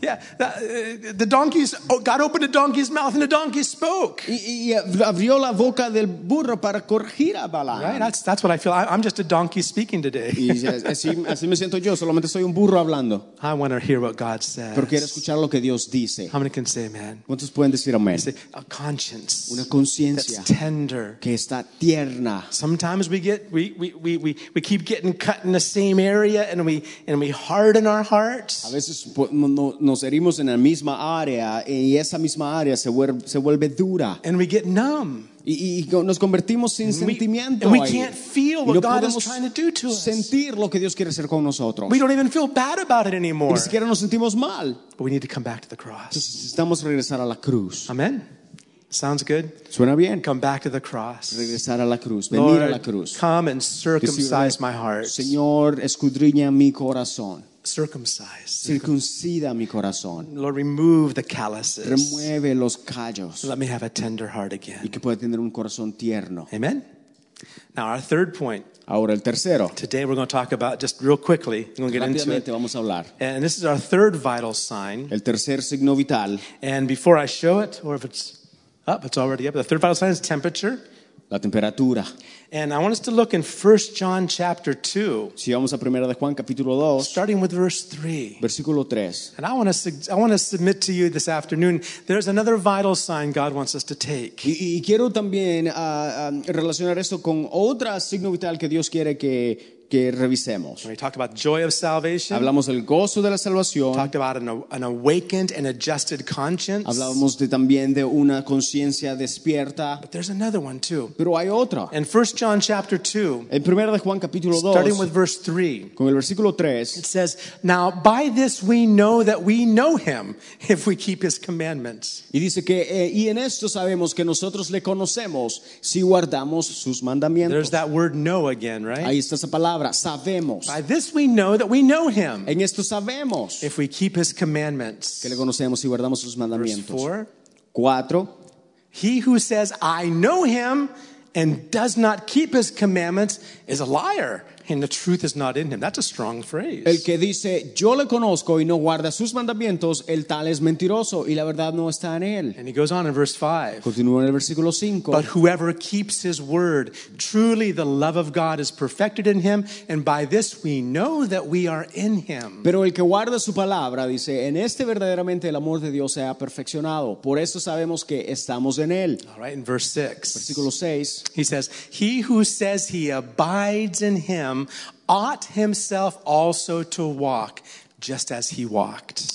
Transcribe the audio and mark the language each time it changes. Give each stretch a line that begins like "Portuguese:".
English: Yeah, the donkey's God opened the donkey's mouth and the donkey spoke.
Spanish: Y abrió la boca del burro para corregir a Balaam.
English: Right, that's what I feel. I'm just a donkey speaking today.
Spanish: Y así me siento yo. Solamente soy un burro hablando.
English: I want to hear what God says.
Spanish: Pero quiero escuchar lo que Dios dice.
English: How many can say amen?
Spanish: ¿Cuántos pueden decir amén?
English: A conscience.
Spanish: Una conciencia.
English: That's tender.
Spanish: Que está tierna.
English: Sometimes we keep getting cut in the same area and we harden our hearts.
Spanish: A veces nos herimos en la misma área y esa misma área se vuelve dura.
English: And we get numb.
Spanish: Y nos convertimos sin sentimiento.
English: And we can't feel what God is trying to do to us.
Spanish: Sentir lo que Dios quiere hacer con nosotros.
English: We don't even feel bad about it anymore.
Spanish: Ni siquiera nos sentimos mal.
English: But we need to come back to the cross.
Spanish: Necesitamos regresar a la cruz.
English: Amen. Sounds good.
Spanish: Suena bien.
English: Come back to the cross.
Spanish: Regresar a la cruz.
English: Lord,
Spanish: venir a la cruz.
English: Come and circumcise my heart.
Spanish: Señor, escudriña mi corazón.
English: Circumcise
Spanish: mi corazón.
English: Lord, remove the calluses.
Spanish: Remueve los callos.
English: Let me have a tender heart again.
Spanish: Y que pueda tener un corazón tierno.
English: Amen. Now, our third point.
Spanish: Ahora el tercero.
English: Today we're going to talk about, just real quickly, we're going to get into it.
Spanish: Vamos a hablar.
English: And this is our third vital sign.
Spanish: El tercer signo vital.
English: And before I show it, or if it's up, it's already up. The third vital sign is temperature.
Spanish: La temperatura.
English: And I want us to look in 1 John chapter 2.
Spanish: Si vamos a Primera de Juan, capítulo 2.
English: Starting with verse 3.
Spanish: Versículo 3.
English: And I want to submit to you this afternoon, there's another vital sign God wants us to take.
Spanish: Y quiero también relacionar esto con otra signo vital que Dios quiere que revisemos.
English: We talked about joy of salvation.
Spanish: Hablamos del gozo de la salvación.
English: We talked about an awakened and adjusted conscience.
Spanish: Hablamos de también de una conciencia despierta.
English: But there's another one too.
Spanish: Pero hay otra.
English: In 1 John chapter 2.
Spanish: En Primera de Juan capítulo 2.
English: Starting with verse 3.
Spanish: Con el versículo 3.
English: It says, "Now by this we know that we know him if we keep his commandments."
Spanish: Y dice que y en esto sabemos que nosotros le conocemos si guardamos sus mandamientos.
English: There's that word know again, right?
Spanish: Ahí está esa palabra. Sabemos.
English: By this we know that we know him.
Spanish: En esto sabemos.
English: If we keep his commandments.
Spanish: Que le conocemos y guardamos sus mandamientos.
English: Verse 4. He who says, "I know him," and does not keep his commandments is a liar, and the truth is not in him. That's a strong phrase.
Spanish: El que dice, "Yo le conozco y no guarda sus mandamientos," el tal es mentiroso y la verdad no está en él.
English: And he goes on in verse 5.
Spanish: Continúa en el versículo 5.
English: But whoever keeps his word, truly the love of God is perfected in him, and by this we know that we are in him.
Spanish: Pero el que guarda su palabra, dice, en este verdaderamente el amor de Dios se ha perfeccionado. Por eso sabemos que estamos en él.
English: All right, in verse 6.
Spanish: Versículo 6.
English: He says, "He who says he abides in him ought himself also to walk just as he walked."